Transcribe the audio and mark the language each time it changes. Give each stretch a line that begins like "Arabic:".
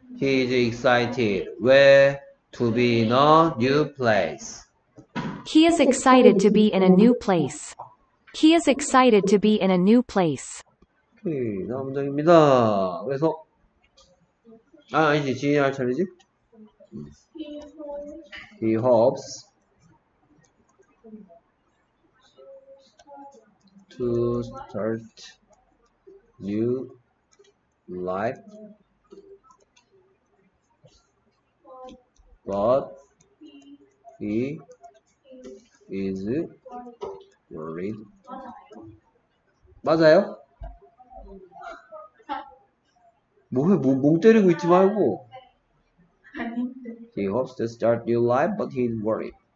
English: He is excited. Where to be in a new place? He is excited to be in a new place. He is excited to be in a new place.
Korean: 오케이. 다음 문장입니다. 그래서 아 이제 지인이 할 차례지.
English: He hopes to start new life, but he is worried.
Korean: 맞아요? 뭐해, 멍 때리고 있지 말고.
English: He hopes to start new life, but he's worried.